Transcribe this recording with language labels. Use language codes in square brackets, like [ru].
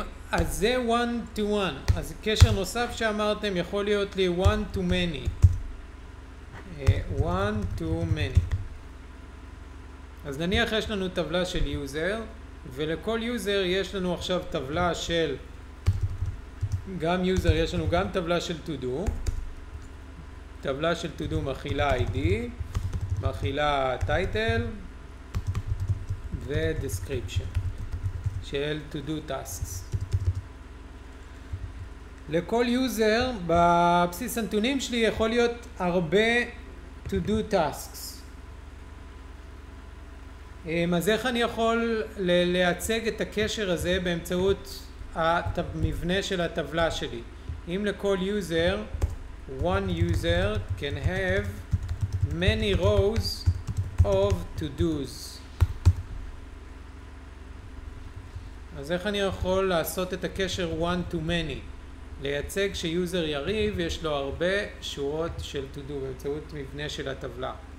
[he] אז זה one to one. אז קשר נוסף שאמרתם יכול להיות לי one to many. one too many. אז נניח יש לנו טבלה של יוזר, ולכל יוזר יש לנו עכשיו טבלה של גם יוזר, יש לנו גם טבלה של to do. טבלה של to do מכילה ID, מכילה title ו-description של to do tasks. לכל יוזר בבסיס הנתונים שלי יכול להיות הרבה to do tasks. אז איך אני יכול לייצג את הקשר הזה באמצעות המבנה של הטבלה שלי? אם לכל יוזר, [en] one user can have many rows of to do's. [he] אז איך אני יכול לעשות את הקשר one to many? לייצג שיוזר יריב יש לו הרבה שורות של to do באמצעות מבנה של הטבלה.